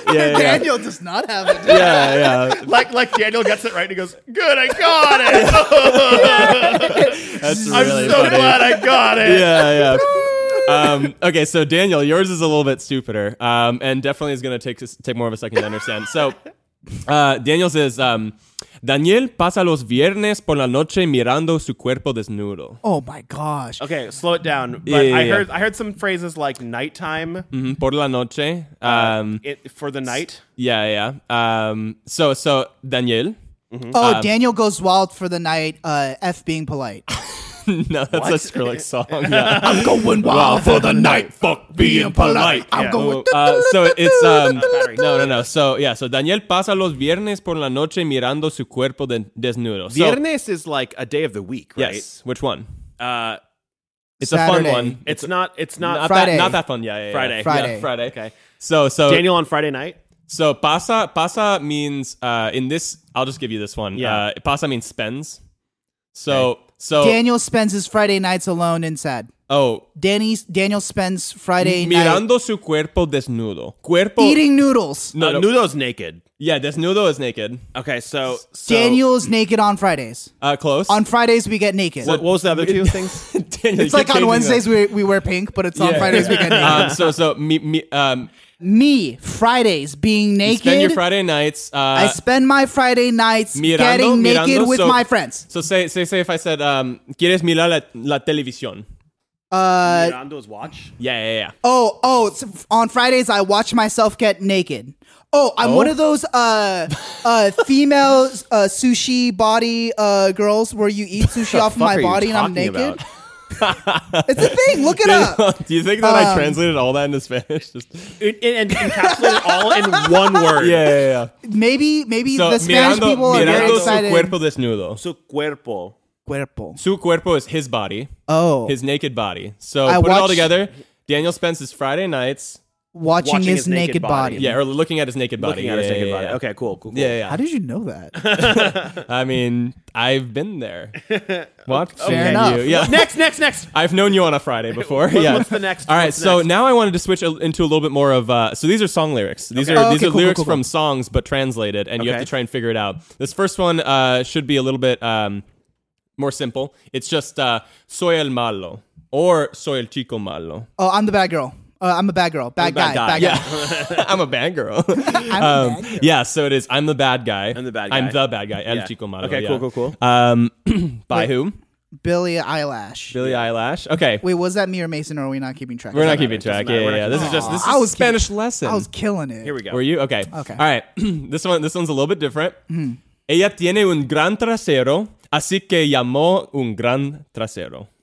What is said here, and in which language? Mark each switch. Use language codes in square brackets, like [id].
[en] Yeah, Daniel does not have it. Yeah, yeah. Like Daniel gets it right and he goes, good, I got it. That's really I'm so funny. Glad I got it. Yeah, yeah. Okay, so Daniel, yours is a little bit stupider and definitely is going to take more of a second to understand. So Daniel says, [es] Daniel pasa los viernes por la noche mirando su cuerpo desnudo. Oh my gosh. Okay, slow it down. But yeah, yeah, I heard some phrases like nighttime. Mm-hmm, por la noche. [en] For the night. Yeah, yeah. So Daniel. Mm-hmm. Oh, Daniel goes wild for the night, F being polite. No, that's what? A Skrillex song. Yeah. I'm going wild well for the night, fuck being polite. Yeah. I'm going... Well, so it's... No. So, yeah. [es] So Daniel pasa los viernes por la noche mirando su cuerpo desnudo. [en] So, viernes is like a day of the week, right? Yes. Which one? It's Saturday. A fun one. It's not... Friday. Not that fun. Yeah. Friday. Friday. Yeah, Friday. Okay. So Daniel on Friday night? So pasa means... in this... I'll just give you this one. Yeah. Pasa means spends. So... Okay. So Daniel spends his Friday nights alone and sad. Oh. Daniel spends Friday [es] mirando [en] night [es] su cuerpo desnudo. Cuerpo [en] eating noodles. No, no, noodles naked. Yeah, desnudo is naked. Okay, so Daniel's naked on Fridays. Close. On Fridays we get naked. What was the other two things? Daniel, it's like on Wednesdays we wear pink, but it's on Fridays we get naked. So me Fridays being naked. You spend your Friday nights. I spend my Friday nights mirando, getting naked mirando, with my friends. So say if I said, [es] ¿quieres mirar la televisión? [en] Mirando's watch? Yeah, yeah, yeah. Oh, so on Fridays I watch myself get naked. Oh, I'm one of those female sushi body girls where you eat sushi off my body and I'm naked. About? It's a thing. Look it up. Do you think that I translated all that into Spanish? And encapsulated all in one word. Yeah, yeah, yeah. Maybe so the Spanish mirando, people are [es] mirando [en] very excited. [es] Su cuerpo desnudo. Su cuerpo. Cuerpo. [en] Su cuerpo is his body. Oh. His naked body. So I put it all together. Daniel spends his Friday nights watching his naked body. Yeah, or looking at his naked body. Looking at his naked body. Okay, cool. Yeah, yeah. How did you know that? I mean, I've been there. What? Fair enough. You. Yeah. Next. I've known you on a Friday before. Yeah. What's the next? All right, so now I wanted to switch into a little bit more of... So these are song lyrics. These are lyrics from songs, but translated, and you have to try and figure it out. This first one should be a little bit more simple. It's just [es] Soy el malo or Soy el chico malo. [en] Oh, I'm the bad girl. I'm a bad girl. Bad guy. Yeah. I'm a bad girl. I'm a bad girl. Yeah, so it is. I'm the bad guy. I'm the bad guy. I'm the bad guy. [es] El chico malo. [en] Okay, cool. Wait, whom? Billie Eilish. Okay. Wait, was that me or Mason, or are we not keeping track? We're not keeping track. Yeah. This is Spanish lesson. I was killing it. Here we go. Were you? Okay. Okay. All right. This one's a little bit different. Mm-hmm. [es] Ella tiene un gran trasero, así que llamó un gran trasero.